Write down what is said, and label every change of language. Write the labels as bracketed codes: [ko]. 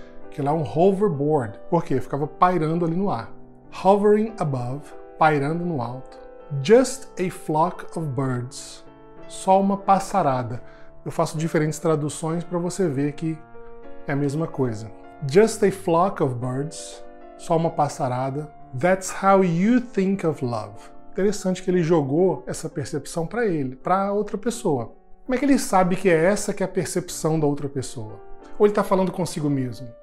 [pt] Que lá é um hoverboard. Por quê? Ficava pairando ali no ar. [en] Hovering above, [pt] pairando no alto. [en] Just a flock of birds. [pt] Só uma passarada. Eu faço diferentes traduções para você ver que é a mesma coisa. [en] Just a flock of birds. [pt] Só uma passarada. [en] That's how you think of love. [pt] Interessante que ele jogou essa percepção para ele, para outra pessoa. Como é que ele sabe que é essa que é a percepção da outra pessoa? Ou ele tá falando consigo mesmo?